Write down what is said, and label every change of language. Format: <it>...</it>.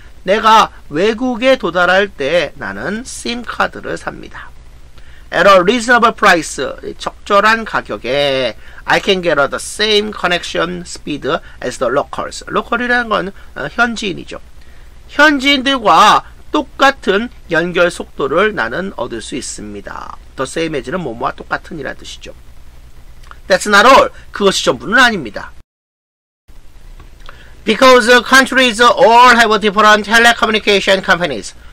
<ko>내가 외국에 도달할 때 나는 SIM카드를 삽니다.</ko> <en>At a reasonable price,</en> <ko>적절한 가격에</ko> <en>I can get the same connection speed as the locals.</en> <ko>Local이라는 건 현지인이죠. 현지인들과 똑같은 연결 속도를 나는 얻을 수 있습니다.</ko> <en>The same as는</en> <ko>뭐뭐와 똑같은 이라는 뜻이죠.</ko> <en>That's not all.</en> <ko>그것이 전부는 아닙니다.</ko> <en>Because countries all have different telecommunication companies.</en>